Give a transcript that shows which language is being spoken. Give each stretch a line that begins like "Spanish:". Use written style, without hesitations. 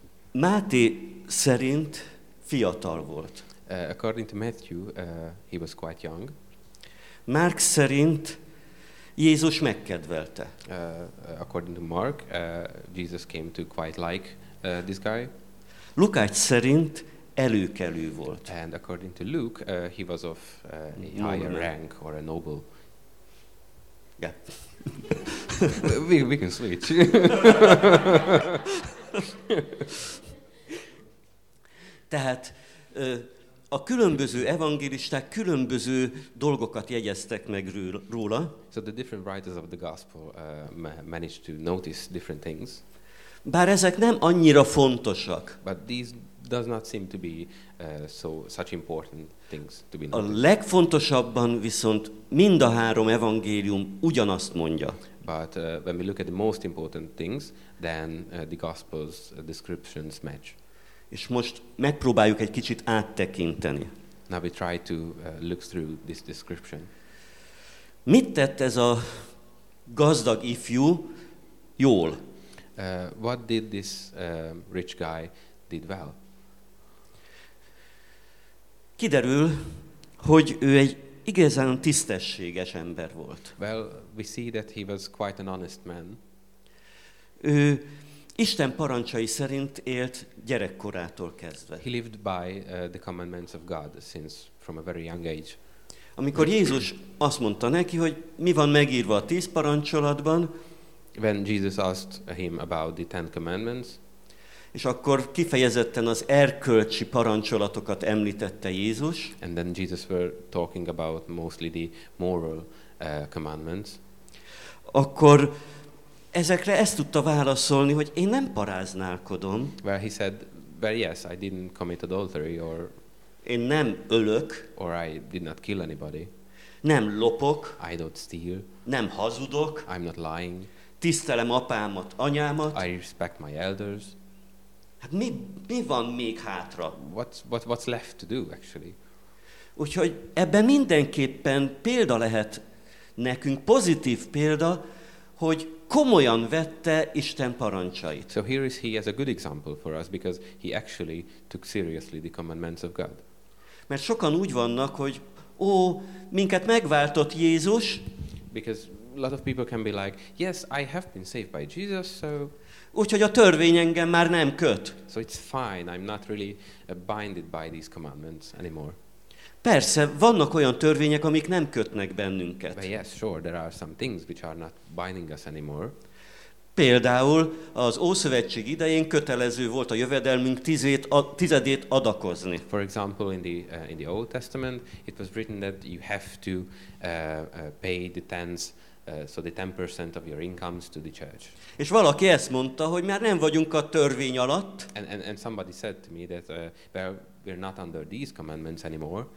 Hungarian: Máté szerint fiatal volt.
English: According to Matthew, he was quite young.
Hungarian: Márk szerint Jézus megkedvelte.
English: According to Mark, Jesus came to quite like this guy.
Hungarian: Lukács szerint előkelő volt.
English: And according to Luke, he was of a higher rank or a noble. Yeah. we can switch.
Hungarian: Tehát a különböző evangélisták különböző dolgokat jegyeztek meg róla.
English: So the different writers of the gospel managed to notice different things.
Hungarian: Bár ezek nem annyira fontosak.
English: But these does not seem to be such important things to be noted.
Hungarian: A legfontosabban viszont mind a három evangélium ugyanazt mondja.
English: But when we look at the most important things, then the gospel's descriptions match.
Hungarian: És most megpróbáljuk egy kicsit áttekinteni.
English: Now we try to look through this description.
Hungarian: Mit tett ez a gazdag ifjú jól?
English: What did this rich guy did well?
Hungarian: Kiderül, hogy ő egy igazán tisztességes ember volt.
English: Well, we see that he was quite an honest man.
Hungarian: Ő Isten parancsai szerint élt gyerekkorától kezdve.
English: He lived by the commandments of God since from a very young age.
Hungarian: Amikor Jézus azt mondta neki, hogy mi van megírva a 10 parancsolatban,
English: when Jesus asked him about the 10 commandments,
Hungarian: És akkor kifejezetten az erkölcsi parancsolatokat említette Jézus.
English: And then Jesus were talking about mostly the moral commandments.
Hungarian: Akkor ezekre ezt tudta válaszolni, hogy én nem paráználkodom.
English: Well, he said, well, yes, I didn't commit adultery, or
Hungarian: én nem ölök,
English: or I did not kill anybody.
Hungarian: Nem lopok,
English: I don't steal.
Hungarian: Nem hazudok,
English: I'm not lying.
Hungarian: Tisztelem apámat, anyámat.
English: I respect my elders.
Hungarian: Hát mi van még hátra?
English: What's left to do actually?
Hungarian: Úgyhogy ebben mindenképpen példa lehet nekünk, pozitív példa, hogy komolyan vette Isten parancsait.
English: So here is he as a good example for us because he actually took seriously the commandments of God.
Hungarian: Mert sokan úgy vannak, hogy ó, minket megváltott Jézus.
English: Because a lot of people can be like, yes, I have been saved by Jesus, so
Hungarian: úgyhogy a törvény engem már nem köt.
English: So it's fine, I'm not really binded by these commandments anymore.
Hungarian: Persze, vannak olyan törvények, amik nem kötnek bennünket.
English: But yes, sure, there are some things which are not binding us anymore.
Hungarian: Például az Ószövetség idején kötelező volt a jövedelmünk tizedét adakozni.
English: For example, in the Old Testament, it was written that you have to pay the tenths, so the 10% of your incomes to the church.
Hungarian: És valaki ezt mondta, hogy már nem vagyunk a törvény alatt.
English: And somebody said to me that well, we're not under these commandments anymore.